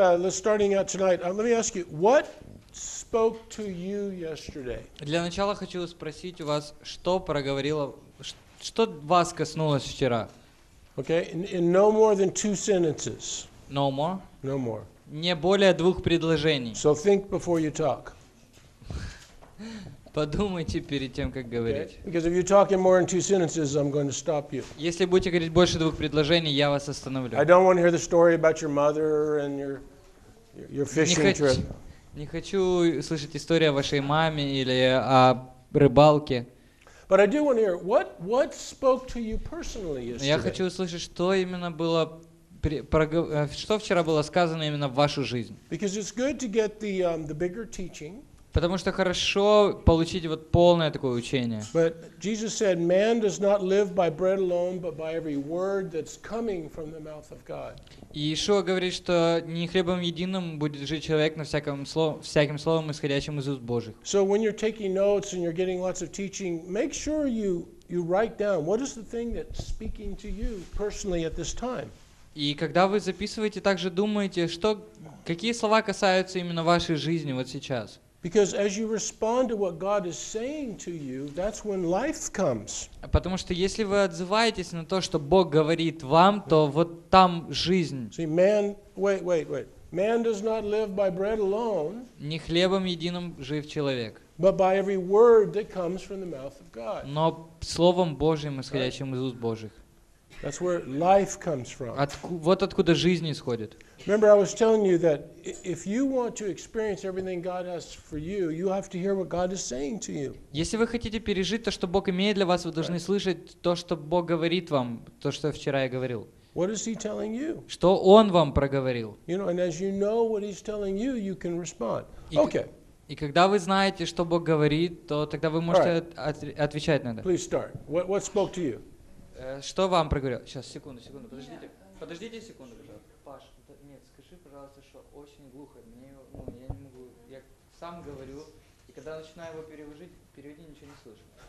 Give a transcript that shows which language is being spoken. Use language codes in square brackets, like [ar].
[en] Starting out tonight, let me ask you, what spoke to you yesterday? [ru] Для начала хочу спросить у вас, что проговорило, что вас коснулось вчера? [en] Okay, in no more than two sentences. No more. No more. [ru] Не более двух предложений. [en] So think before you talk. [ru] Подумайте перед тем, как говорить. [en] Okay. Because if you're talking more than two sentences, I'm going to stop you. [ru] Если будете говорить больше двух предложений, я вас остановлю. [en] I don't want to hear the story about your mother and your [ru] Не хочу слышать историю о вашей маме или о рыбалке. [en] But I do want to hear what spoke to you personally yesterday. [ru] Я хочу услышать, что именно было что вчера было сказано именно в вашу жизнь. [en] Because it's good to get the bigger teaching. [ru] Потому что хорошо получить вот полное такое учение. [en] But Jesus said, man does not live by bread alone, but by every word that's coming from the mouth of God. [ru] И Иешуа говорит, что не хлебом единым будет жить человек, но всяким словом, исходящим из уст Божьих. [en] So when you're taking notes and you're getting lots of teaching, make sure you write down what is the thing that's speaking to you personally at this time. [ru] И когда вы записываете, также думайте, что какие слова касаются именно вашей жизни вот сейчас. [en] Because as you respond to what God is saying to you, that's when life comes. [ru] Потому что если вы отзываетесь на то, что Бог говорит вам, то вот там жизнь. [en] See, man, wait. Man does not live by bread alone. [ru] Не хлебом единым жив человек. [en] But by every word that comes from the mouth of God. [ru] Но словом Божьим, исходящим из уст Божьих. [en] That's where life comes from. [ru] Вот откуда жизнь исходит. [en] Remember, I was telling you that if you want to experience everything God has for you, you have to hear what God is saying to you. [ru] Если вы хотите пережить то, что Бог имеет для вас, вы должны слышать то, что Бог говорит вам, то, что вчера я говорил. [en] What is He telling you? [ru] Что Он вам проговорил? [en] You know, and as you know what He's telling you, you can respond. Okay. [ru] И когда вы знаете, что Бог говорит, то тогда вы можете отвечать на это. [en] Please start. What spoke to you? [ru] Что вам проговорил? Сейчас, секунду, подождите. Подождите секунду, пожалуйста. Паш, нет, скажи, пожалуйста, что очень глухо. Я не могу. Я сам говорю, и когда начинаю его переводить, ничего не слышу.